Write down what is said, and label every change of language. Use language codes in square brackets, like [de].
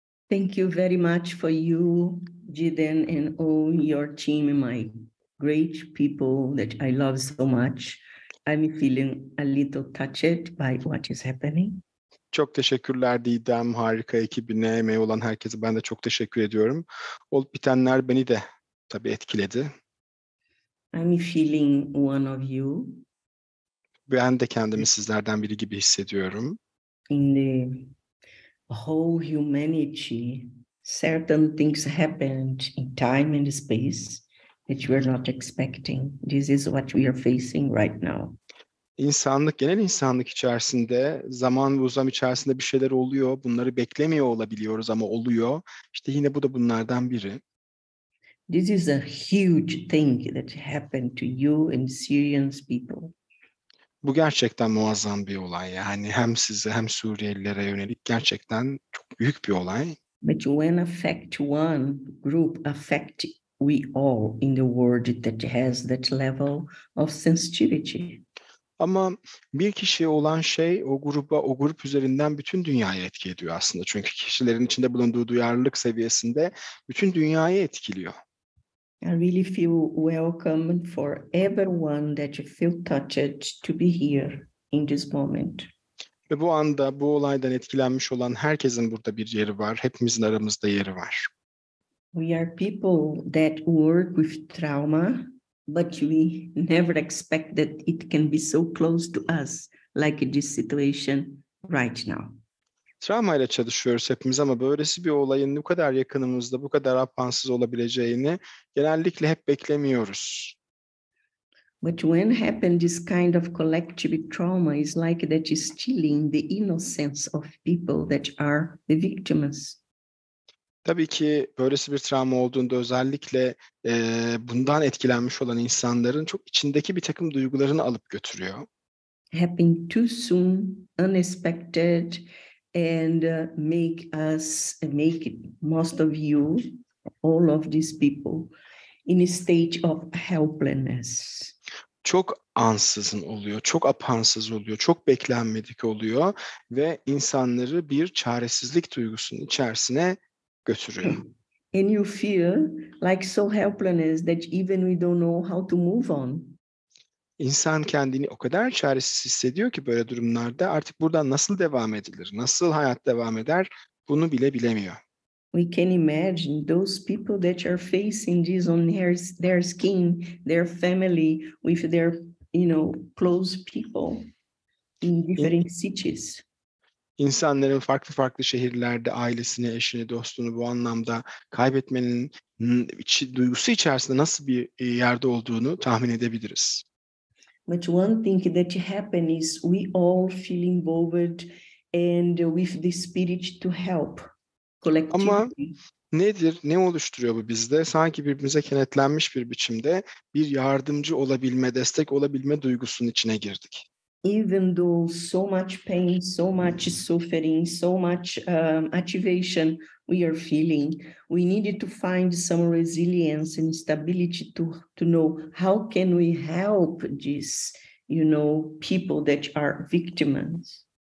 [en] Thank you very much for you, Jiden, and all your team, and my great people that I love so much. I'm feeling a little touched by what is happening. [tr] Çok teşekkürler Didem, harika ekibine, emeği olan herkese ben de çok teşekkür ediyorum. Olup bitenler beni de tabii etkiledi. [en] I'm feeling one of you. [tr] Ben de kendimi sizlerden biri gibi hissediyorum. [en] In the whole humanity, certain things happened in time and space that you were not expecting. This is what we are facing right now. [tr] İnsanlık, genel insanlık içerisinde zaman ve uzam içerisinde bir şeyler oluyor. Bunları beklemiyor olabiliyoruz ama oluyor. İşte yine bu da bunlardan biri. [en] This is a huge thing that happened to you and Syrians people. [tr] Bu gerçekten muazzam bir olay. Yani hem size hem Suriyelilere yönelik gerçekten çok büyük bir olay. [en] But when affect one group, affect we all in the world that has that level of sensitivity. [tr] Ama bir kişiye olan şey o gruba, o grup üzerinden bütün dünyayı etki ediyor aslında. Çünkü kişilerin içinde bulunduğu duyarlılık seviyesinde bütün dünyayı etkiliyor. [en] I really feel welcome for everyone that you feel touched to be here in this moment. [tr] Ve bu anda bu olaydan etkilenmiş olan herkesin burada bir yeri var. Hepimizin aramızda yeri var. [en] We are people that work with trauma. But we never expect that it can be so close to us like this situation right now. [tr] Travma ile çalışıyoruz hepimiz ama böylesi bir olayın bu kadar yakınımızda, bu kadar apansız olabileceğini genellikle hep beklemiyoruz. [en] But when happened this kind of collective trauma is like that is stealing the innocence of people that are the victims. [tr] Tabii ki böylesi bir travma olduğunda özellikle bundan etkilenmiş olan insanların çok içindeki bir takım duygularını alıp götürüyor. [en] Happening too soon, unexpected and make us, make most of you, all of these people in a stage of helplessness. [tr] Çok ansızın oluyor, çok apansız oluyor, çok beklenmedik oluyor ve insanları bir çaresizlik duygusunun içerisine götürüyor. [en] And you feel like so helpless that even we don't know how to move on. [tr] İnsan kendini o kadar çaresiz hissediyor ki böyle durumlarda artık buradan nasıl devam edilir, nasıl hayat devam eder bunu bile bilemiyor. [en] We can imagine those people that are facing this on their skin, their family, with their, you know, close people in different cities. [tr] İnsanların farklı farklı şehirlerde ailesini, eşini, dostunu bu anlamda kaybetmenin duygusu içerisinde nasıl bir yerde olduğunu tahmin edebiliriz. [en] But one thing that happened is we all feel involved and with the spirit to help collectively. [tr] Ama nedir, ne oluşturuyor bu bizde? Sanki birbirimize kenetlenmiş bir biçimde bir yardımcı olabilme, destek olabilme duygusunun içine girdik. [en] Even though so much pain, so much suffering, so much activation we are feeling, we needed to find some resilience and stability to know how can we help these, you know, people that are victims.